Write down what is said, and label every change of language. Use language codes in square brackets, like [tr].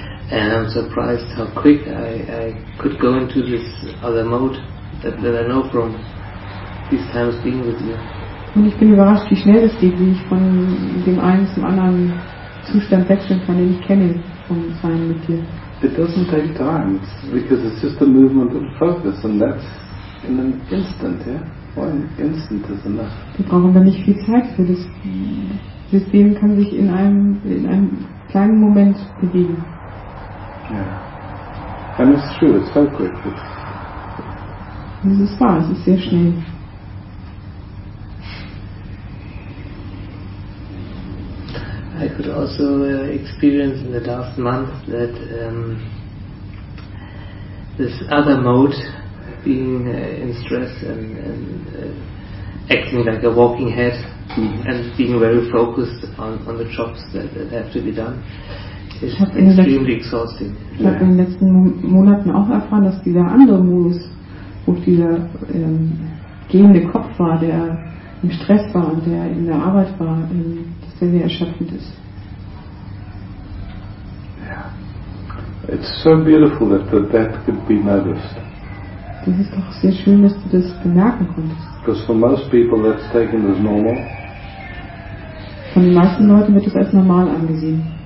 [en] And I'm surprised how quick I could go into this other mode that I know from these times being with you. [de] Und ich bin überrascht, wie schnell es geht, wie ich von dem einen zum anderen Zustand wechseln kann, den ich kenne, vom Sein mit dir. [en] It doesn't take time, because it's just a movement of focus, and that's in an instant, yeah? One instant is enough. [de] Wir brauchen da nicht viel Zeit für das. Das System kann sich in einem kleinen Moment bewegen. [en] Yeah. And it's true, it's so quick. [de] Das ist wahr, es ist sehr schnell. [en] I could also experience in the last month that this other mode, being in stress and acting like a walking head, mm-hmm. and being very focused on the jobs that have to be done, is extremely exhausting. [de] Ich habe in den letzten Monaten auch erfahren, dass dieser andere Modus, wo dieser gehende Kopf war, der im Stress war und der in der Arbeit war, dass der sehr erschöpfend ist. [en] It's so beautiful that could be noticed. [de] Das ist doch sehr schön, dass du das bemerken konntest. [en] Because for most people that's taken as normal. [de] Von den meisten Leuten wird das als normal angesehen.